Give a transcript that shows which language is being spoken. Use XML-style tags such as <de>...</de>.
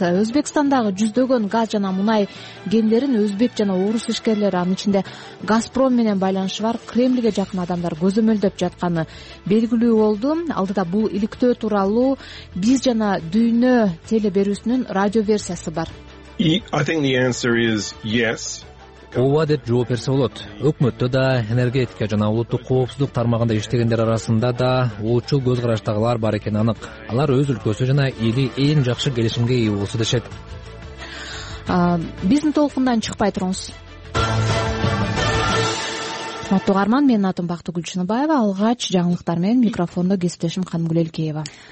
<ky>Өзбекстандагы жүздөгөн газ жана мунай кендерин өзбек жана орус ишкерлери, анын ичинде Газпром менен байланышы бар Кремльге жакын адамдар көзөмөлдөп жатканы белгилүү болду. Алдыда бул иликтөө тууралуу биз жана дүйнө телеберүүсүнүн радио версиясы бар.</ky> <en>I think the answer is yes.</en> <ky>Ооба деп жооп берсе болот. Өкмөттө да, энергетика жана улуттук коопсуздук тармагында иштегендер арасында да уучул көз караштагылар бар экени анык. Алар өз өлкөсү жана эли эң жакшы келишимге ээ болсо дешет. Биздин толкундан чыкпай туруңуз. Урматтуу каарман, менин атым Бактыгүл Чыныбаева, алгач жаңылыктар менен микрофондо кесиптешим Кангүл Элкеева.</ky>